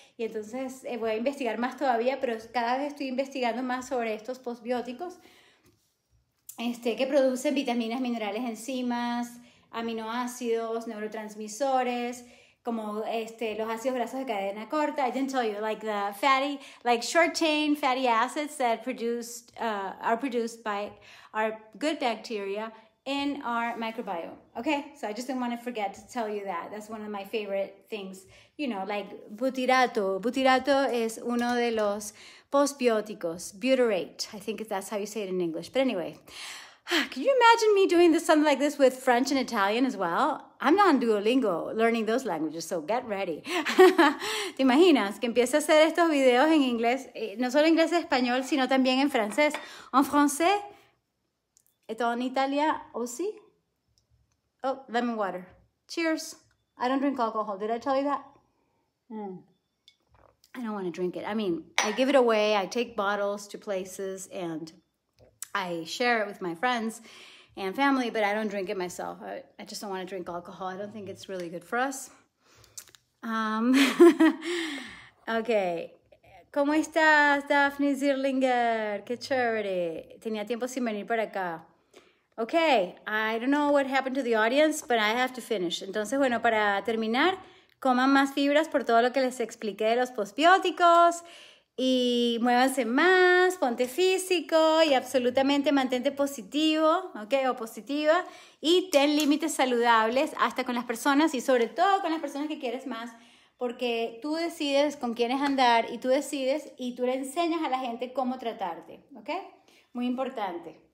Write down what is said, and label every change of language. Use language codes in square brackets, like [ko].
[es] Y entonces voy a investigar más todavía, pero cada vez estoy investigando más sobre estos postbióticos que producen vitaminas, minerales, enzimas, aminoácidos, neurotransmisores, como los ácidos grasos de cadena corta. [en] I didn't tell you, like the fatty, like short chain fatty acids that are produced by our good bacteria in our microbiome. Okay, so I just didn't want to forget to tell you that. That's one of my favorite things. You know, like butirato. Butirato is [es] uno de los postbióticos. [en] Butyrate, I think that's how you say it in English. But anyway, can you imagine me doing this something like this with French and Italian as well? I'm not on Duolingo learning those languages, so get ready. [es] ¿Te imaginas que empiece a hacer estos videos en inglés? No solo en inglés y español, sino también en francés. En francés, esto en Italia, ¿o sí? [en] Oh, lemon water. Cheers. I don't drink alcohol. Did I tell you that? I don't want to drink it. I mean, I give it away. I take bottles to places and I share it with my friends and family, but I don't drink it myself. I just don't want to drink alcohol. I don't think it's really good for us. [es] Okay. ¿Cómo estás, Daphne Zierlinger? Qué chévere. Tenía tiempo sin venir para acá. [en] Okay, I don't know what happened to the audience, but I have to finish. [es] Entonces, bueno, para terminar, coman más fibras por todo lo que les expliqué de los postbióticos y muévanse más, ponte físico y absolutamente mantente positivo, okay, o positiva, y ten límites saludables hasta con las personas y sobre todo con las personas que quieres más, porque tú decides con quiénes andar y tú decides y tú le enseñas a la gente cómo tratarte, okay? Muy importante.